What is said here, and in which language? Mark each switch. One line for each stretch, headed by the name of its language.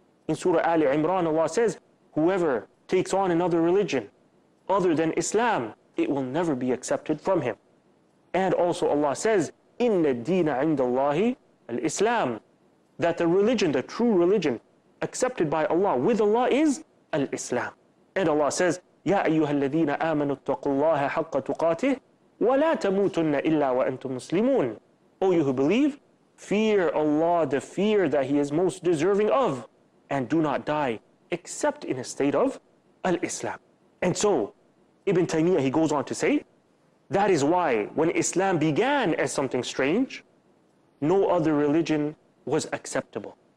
English: In Surah Ali Imran, Allah says, whoever takes on another religion other than Islam, it will never be accepted from him. And also Allah says,
Arabic: إِنَّ الدِّينَ عِنْدَ اللَّهِ الْإِسْلَامِ,
English: that the religion, the true religion accepted by Allah, with Allah, is al-Islam.
Arabic: And Allah says, يَا أَيُّهَا الَّذِينَ آمَنُوا اتَّقُوا اللَّهَ حَقَّ تُقَاتِهِ وَلَا تَمُوتُنَّ إِلَّا وَأَنْتُمْ مُسْلِمُونَ.
English: O you who believe, fear Allah, the fear that He is most deserving of, and do not die except in a state of al-Islam. And so, Ibn Taymiyyah, he goes on to say, that is why when Islam began as something strange, no other religion was acceptable.